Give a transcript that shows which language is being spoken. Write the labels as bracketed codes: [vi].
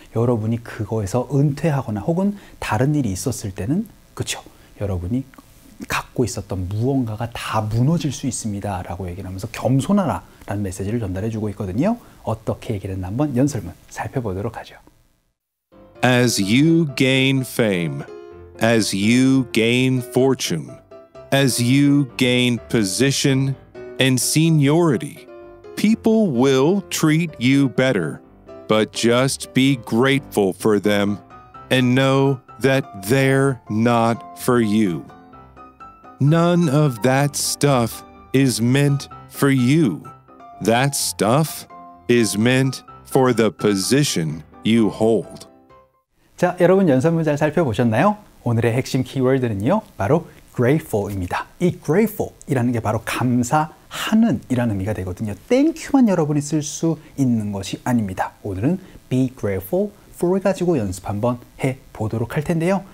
[ko] 여러분이 그거에서 은퇴하거나 혹은 다른 일이 있었을 때는 그쵸, 여러분이 갖고 있었던 무언가가 다 무너질 수 있습니다 라고 얘기를 하면서 겸손하라 라는 메시지를 전달해주고 있거든요. 어떻게 얘기를 했나 한번 연설문 살펴보도록 하죠. [en] As you gain fame, as you gain fortune, as you gain position and seniority, people will treat you better, but just be grateful for them and know that they're not for you. None of that stuff is meant for you. That stuff is meant for the position you hold. [ko] 자, 여러분 연설문 잘 살펴보셨나요? 오늘의 핵심 키워드는요, 바로 grateful입니다. 이 grateful이라는 게 바로 감사하는 이라는 의미가 되거든요. thank you만 여러분이 쓸 수 있는 것이 아닙니다. 오늘은 be grateful for 가지고 연습 한번 해 보도록 할 텐데요.